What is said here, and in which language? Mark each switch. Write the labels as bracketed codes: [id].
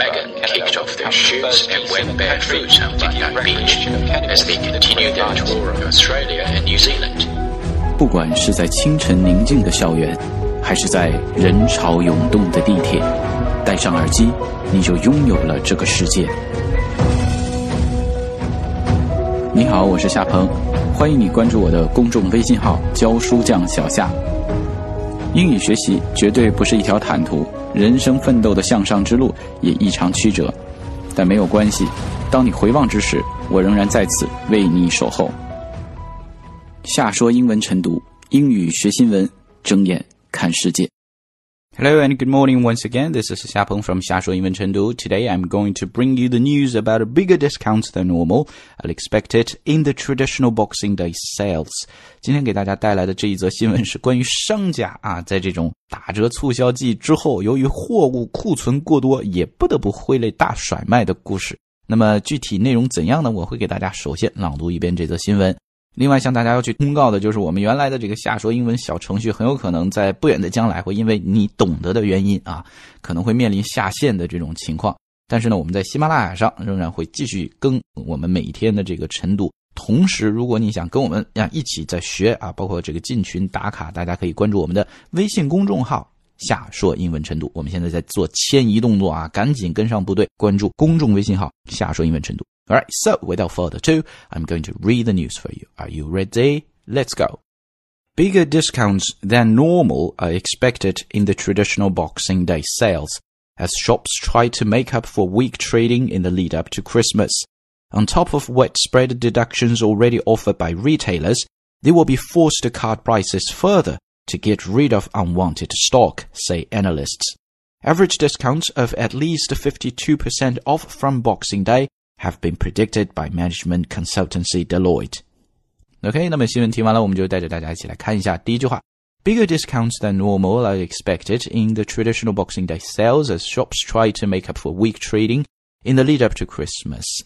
[en] Meghan kicked off their shoes and went barefoot on Bondi Beach as they continued their tour of Australia and New Zealand. [zh] 不管是在清晨宁静的校园，还是在人潮涌动的地铁，戴上耳机，你就拥有了这个世界。你好，我是夏鹏，欢迎你关注我的公众微信号教书匠小夏。英语学习绝对不是一条坦途，人生奋斗的向上之路也异常曲折，但没有关系，当你回望之时，我仍然在此为你守候。夏说英文晨读，英语学新闻，睁眼看世界。 [en] Hello and good morning once again. This is Xia Peng from 夏说英文晨读. Today I'm going to bring you the news about a bigger discount than normal and expected in the traditional Boxing Day sales. [zh] 今天给大家带来的这一则新闻是关于商家啊，在这种打折促销季之后，由于货物库存过多，也不得不挥泪大甩卖的故事。那么具体内容怎样呢？我会给大家首先朗读一遍这则新闻。另外向大家要去通告的就是，我们原来的这个夏说英文小程序很有可能在不远的将来会因为你懂得的原因啊，可能会面临下线的这种情况。但是呢，我们在喜马拉雅上仍然会继续更我们每天的这个晨读。同时如果你想跟我们一起在学啊，包括这个进群打卡，大家可以关注我们的微信公众号夏说英文晨读。我们现在在做迁移动作啊，赶紧跟上部队，关注公众微信号夏说英文晨读。 [en] Alright, so without further ado, I'm going to read the news for you. Are you ready? Let's go. Bigger discounts than normal are expected in the traditional Boxing Day sales, as shops try to make up for weak trading in the lead up to Christmas. On top of widespread deductions already offered by retailers, they will be forced to cut prices further to get rid of unwanted stock, say analysts. Average discounts of at least 52% off from Boxing Day,have been predicted by management consultancy Deloitte. [zh] OK, 那么新闻听完了，我们就带着大家一起来看一下第一句话。 [en] Bigger discounts than normal are expected in the traditional Boxing Day sales as shops try to make up for weak trading in the lead up to Christmas.